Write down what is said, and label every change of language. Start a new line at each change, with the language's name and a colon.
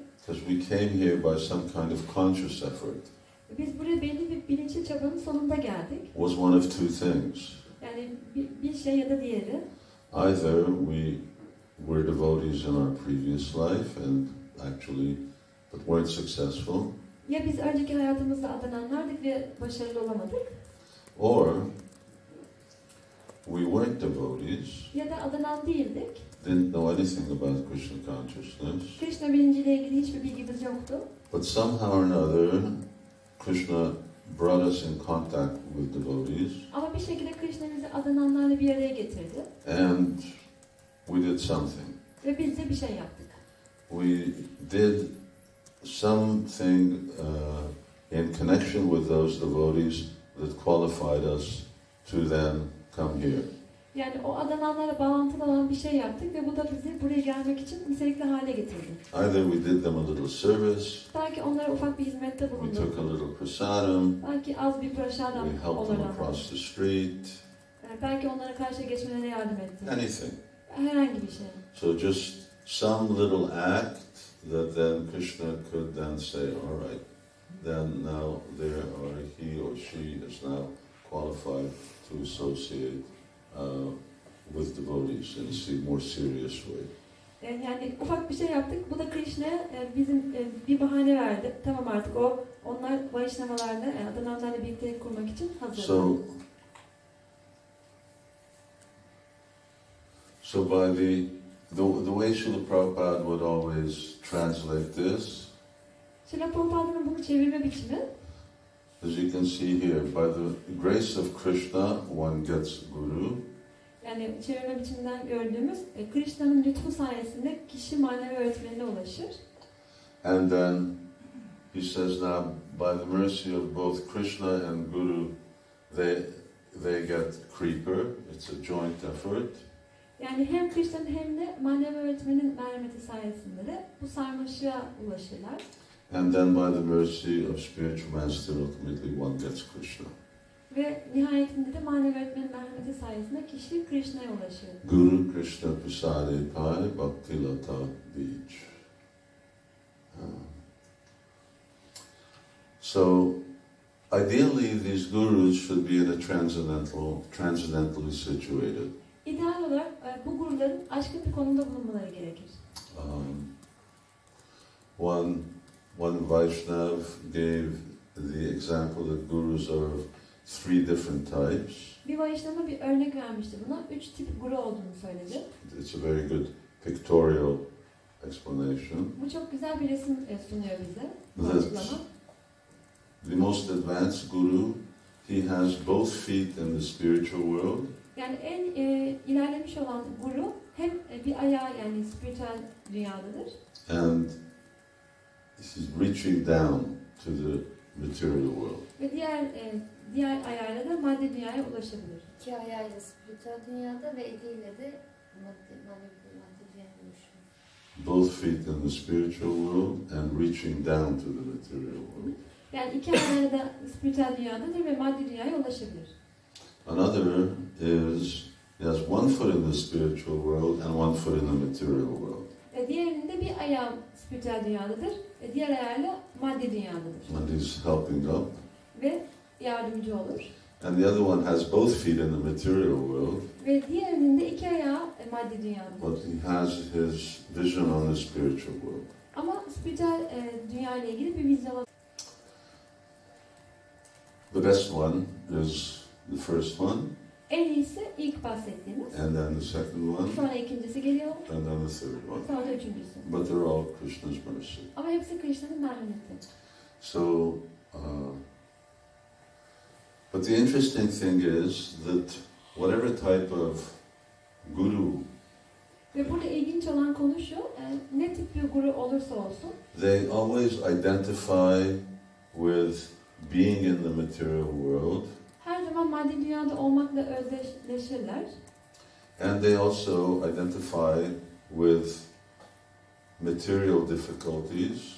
English: Because we came here by some kind of conscious effort.
Turkish: Biz buraya belli bir bilinçli çabanın sonunda geldik.
English: Was one of two things.
Turkish: Yani bir şey ya da diğeri.
English: Either we were devotees in our previous life and actually but weren't successful.
Turkish: Ya biz önceki hayatımızda adananlardık ve başarılı olamadık.
English: Or we weren't devotees.
Turkish: Ya da adanan değildik.
English: Didn't know anything about Krishna consciousness.
Turkish: Krishna bilinciyle ilgili hiçbir bilgimiz yoktu.
English: But somehow or another Krishna brought us in contact with devotees.
Turkish: Ama bir şekilde Krishna bizi adananlarla bir araya getirdi.
English: And we did something.
Turkish: Ve biz de bir şey yaptık.
English: We did something in connection with those devotees that qualified us to then come here.
Turkish: Yani o adananlara bağlantılı olan bir şey yaptık ve bu da bizi buraya gelmek için nitelikli hale getirdi.
English: Either we did them a little service.
Turkish: Belki onlara ufak bir hizmette bulunduk.
English: We took a little prasadam.
Turkish: Belki az bir prasadam olarak.
English: We helped them across the street.
Turkish: Belki onlara karşıya geçmelerine yardım ettik.
English: Anything.
Turkish: Herhangi bir şey.
English: So just some little act that then Krishna could then say, all right, then now there are he or she is now qualified to associate with devotees in a more serious way.
Turkish: Yani ufak bir şey yaptık. Bu da Krishna bizim bir bahane verdi. Tamam artık onlar Vaishnavalarla adananlarla birlikte kurmak için hazır.
English: So by the way Srila Prabhupada would always translate this.
Turkish: Srila Prabhupada'nın bunu çevirme biçimi.
English: As you can see here, by the grace of Krishna, one gets guru.
Turkish: Yani çevirme biçiminden gördüğümüz Krishna'nın lütfu sayesinde kişi manevi öğretmenine ulaşır.
English: And then he says now by the mercy of both Krishna and Guru they get creeper. It's a joint effort.
Turkish: Yani hem Krishna'nın hem de manevi öğretmenin merhameti sayesinde de bu sarmaşığa ulaşırlar.
English: And then by the mercy of spiritual master ultimately one gets Krishna.
Turkish: Ve nihayetinde de manevi öğretmenin merhameti sayesinde kişi Krishna'ya ulaşıyor. Guru Krishna Prasade Pai Bhakti Lata Beach.
English: So, ideally, these gurus should be in a transcendentally situated.
Turkish: İdeal olarak bu guruların aşkın bir konumda bulunmaları gerekir.
English: One Vaishnav gave the example that gurus are of three different types.
Turkish: Bir Vaishnava bir örnek vermişti buna. Üç tip guru olduğunu söyledi.
English: It's a very good pictorial explanation.
Turkish: Bu çok güzel bir resim sunuyor bize.
English: The most advanced guru, he has both feet in the spiritual world.
Turkish: Yani en ilerlemiş olan guru hem bir ayağı yani spiritual dünyadadır.
English: And he's reaching down to the material world.
Turkish: Ve diğer ayağıyla da maddi dünyaya ulaşabilir. İki ayağıyla spiritual dünyada ve eliyle de maddi dünyaya ulaşabilir.
English: Both feet in the spiritual world and reaching down to the material world.
Turkish: Yani iki ayağıyla da spiritual dünyadadır ve maddi dünyaya ulaşabilir.
English: Another is he has one foot in the spiritual world and one foot in the material world.
Turkish: Diğerinde bir ayağı spiritual dünyadadır, diğer ayağıyla maddi dünyadadır.
English: And he's helping up.
Turkish: Ve yardımcı olur.
English: And the other one has both feet in the material world.
Turkish: Ve diğerinde iki ayağı maddi dünyadadır.
English: But he has his vision on the spiritual world.
Turkish: Ama spiritual dünya ile ilgili bir vizyon.
English: The best one is the first one.
Turkish: En iyisi ilk bahsettiğimiz.
English: And then the second one.
Turkish: Sonra ikincisi geliyor.
English: And then the third one.
Turkish: Sonra da üçüncüsü.
English: But they're all Krishna's mercy.
Turkish: Ama hepsi Krishna'nın merhameti.
English: So, but the interesting thing is that whatever type of guru.
Turkish: Ve burada ilginç olan konu şu, ne tip bir guru olursa olsun.
English: They always identify with being in the material world.
Turkish: Her zaman maddi dünyada olmakla özdeşleşirler.
English: And they also identify with material difficulties.